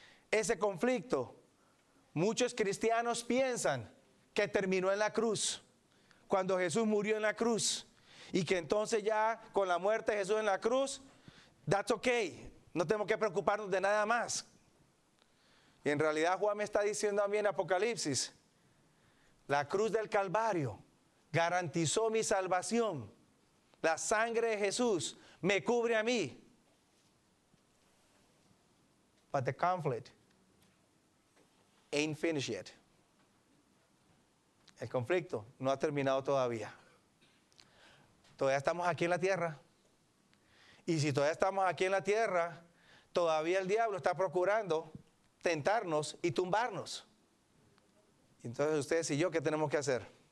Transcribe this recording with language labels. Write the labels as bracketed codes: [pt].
[es] Ese conflicto, muchos cristianos piensan que terminó en la cruz, cuando Jesús murió en la cruz, y que entonces ya con la muerte de Jesús en la cruz, [en] that's okay, [es] no tenemos que preocuparnos de nada más. Y en realidad Juan me está diciendo a mí en Apocalipsis, la cruz del Calvario garantizó mi salvación. La sangre de Jesús me cubre a mí. [en] But the conflict ain't finished yet. [es] El conflicto no ha terminado todavía. Todavía estamos aquí en la tierra. Y si todavía estamos aquí en la tierra, todavía el diablo está procurando tentarnos y tumbarnos. Entonces, ustedes y yo, ¿qué tenemos que hacer?